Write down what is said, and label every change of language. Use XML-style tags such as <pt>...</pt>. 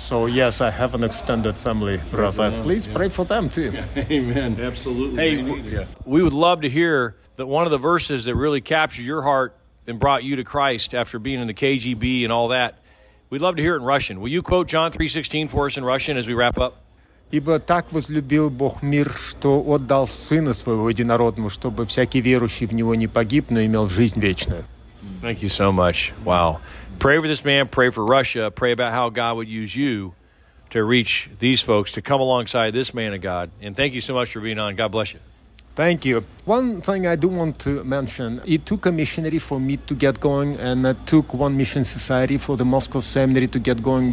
<en>So, yes, I have an extended family, brother. Please pray for them, too. Amen. Absolutely. Hey, we would love to hear that one of the verses that really captured your heart and brought you to Christ after being in the KGB and all that. We'd love to hear it in Russian. Will you quote John 3:16 for us in Russian as we wrap up?</en> <ru>Ибо так возлюбил Бог мир, что отдал Сына Своего Единородному, чтобы всякий верующий в Него не погиб, но имел жизнь вечную.</ru> <en>Thank you so much. Wow. Pray for this man, pray for Russia, pray about how God would use you to reach these folks, to come alongside this man of God. And thank you so much for being on. God bless you. Thank you. One thing I do want to mention, it took a missionary for me to get going, and it took One Mission Society for the Moscow Seminary to get going.</en>